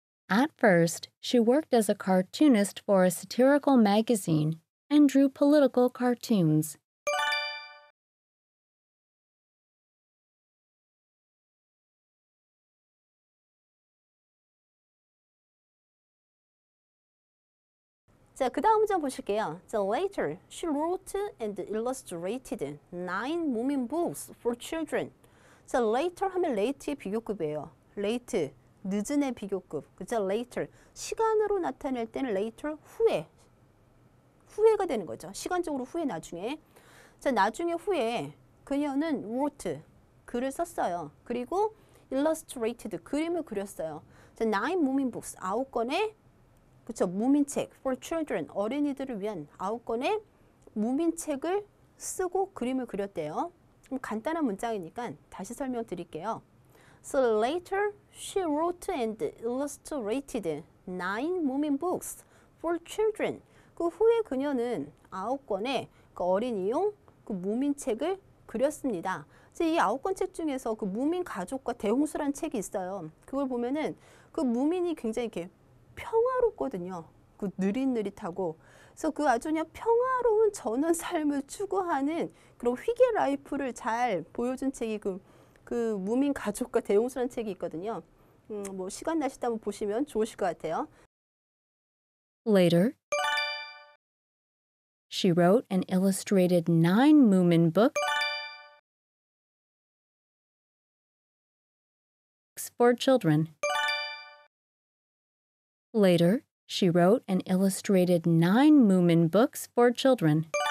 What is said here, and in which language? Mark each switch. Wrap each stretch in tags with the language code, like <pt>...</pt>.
<en>At first, she worked as a cartoonist for a satirical magazine and drew political cartoons.</en> <ko>자, 그 다음 문장 보실게요.</ko> <en>So later, she wrote and illustrated 9 moving books for children.</en> <ko>So later 하면 late의 비교급이에요. late, 늦은의 비교급. 그죠? later. 시간으로 나타낼 때는 later, 후에. 후에가 되는 거죠. 시간적으로 후에, 나중에. 자, 나중에 후에 그녀는 wrote, 글을 썼어요. 그리고 illustrated, 그림을 그렸어요.</ko> <en>So 9 moving books,</en> <ko>9권의 그쵸, 무민책,</ko> <en>for children,</en> <ko>어린이들을 위한 9권의 무민책을 쓰고 그림을 그렸대요. 좀 간단한 문장이니까 다시 설명드릴게요.</ko> <en>So later, she wrote and illustrated 9 무민 books for children.</en> <ko>그 후에 그녀는 9권의 그 어린이용 그 무민책을 그렸습니다. 이 아홉 권 책 중에서 그 무민 가족과 대홍수라는 책이 있어요. 그걸 보면은 그 무민이 굉장히 이렇게 평화롭거든요. 그 느릿느릿하고. 그래서 그 아주 그냥 평화로운 전원 삶을 추구하는 그런 휘게 라이프를 잘 보여준 책이 그 무민 가족과 대홍수라는 책이 있거든요. 뭐 시간 나시다면 보시면 좋으실 것 같아요.</ko> <en>Later, she wrote and illustrated 9 Moomin books for children. Later, she wrote and illustrated 9 Moomin books for children.</en>